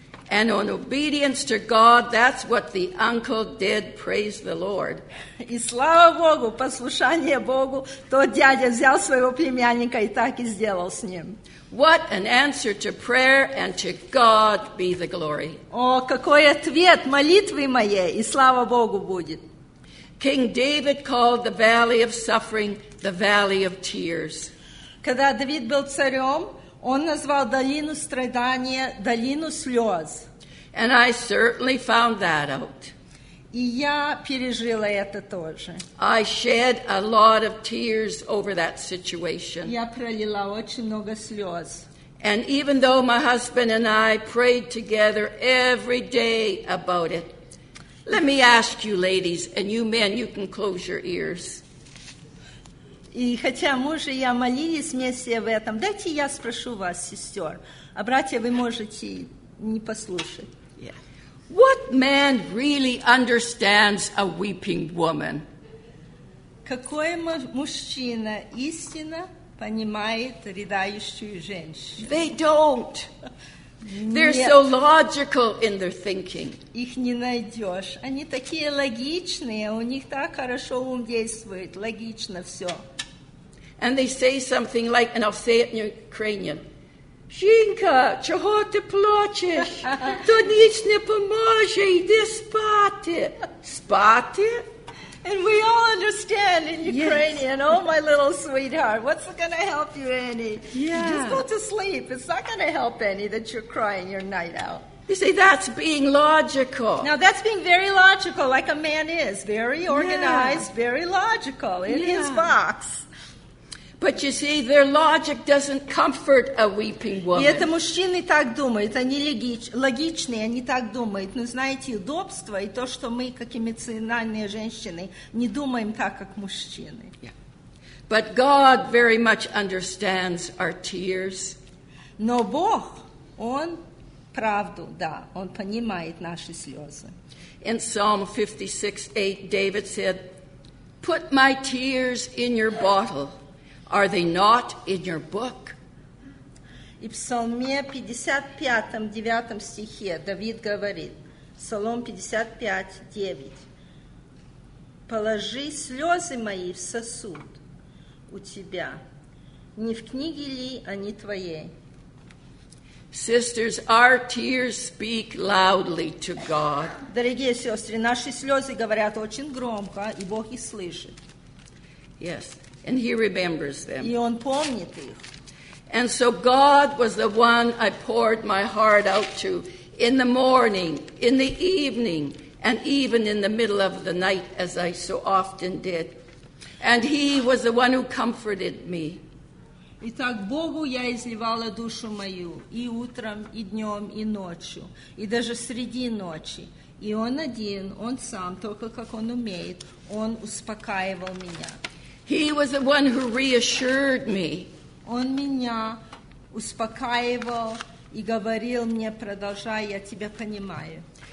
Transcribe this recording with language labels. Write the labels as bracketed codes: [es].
[en] And in obedience to God, that's what the uncle did, praise the Lord. [ru] И слава Богу, послушание Богу, тот дядя взял своего племянника и так и сделал с ним. [en] What an answer to prayer, and to God be the glory. [ru] О, какой ответ молитвы моей, и слава Богу будет. [en] King David called the valley of suffering the valley of tears. [ru] Когда Давид был царем, он назвал долину страдания долину слез. [en] And I certainly found that out. [ru] И я пережила это тоже. [en] I shed a lot of tears over that situation. [ru] Я пролила очень много слез. [en] And even though my husband and I prayed together every day about it, let me ask you, ladies, and you men, you can close your ears. [ru] И хотя муж и я молились вместе в этом, дайте я спрошу вас, сестер, а братья вы можете не послушать. [en] Yeah. What man really understands a weeping woman? [ru] Какой мужчина истинно понимает рыдающую женщину? [en] They don't. They're [ru] Нет. [en] so logical in their thinking. [ru] Их не найдешь. Они такие логичные, у них так хорошо ум действует, логично все. [en] And they say something like, and I'll say it in Ukrainian. [uk] Жінка, чого ти плачеш? То ніч не поможе, йди спати. Спати? [en] And we all understand in Ukrainian, yes. Oh, my little sweetheart, what's going to help you, Annie? Yeah. Just go to sleep. It's not going to help, Annie, that you're crying your night out. You see, that's being logical. Now, that's being very logical, like a man is. Very organized, yeah. very logical in yeah. his box. But you see, their logic doesn't comfort a weeping woman. [ru] И это мужчины так думают, они логичные, они так думают. Но знаете, удобство и то, что мы, как эмоциональные женщины, не думаем так, как мужчины. [en] Yeah. But God very much understands our tears. [ru] Но Бог, Он правду, да, Он понимает наши слезы. [en] In Psalm 56:8, David said, "Put my tears in your bottle." Are they not in your book? [ru] И в Псалме 55, 9 стихе Давид говорит, Псалом 55, 9, «Положи слезы мои в сосуд у тебя, не в книге ли они твоей?» [en] Sisters, our tears speak loudly to God. [ru] Дорогие сестры, наши слезы говорят очень громко, и Бог их слышит. [en] Yes. And he remembers them. [ru] И он помнит их. [en] And so God was the one I poured my heart out to in the morning, in the evening, and even in the middle of the night, as I so often did. And he was the one who comforted me. [ru] Итак, Богу я изливала душу мою и утром, и днем, и ночью, и даже среди ночи. И он один, он сам, только как он умеет, он успокаивал меня. [en] He was the one who reassured me. [ru] Он меня успокаивал и говорил мне, продолжай, я тебя понимаю.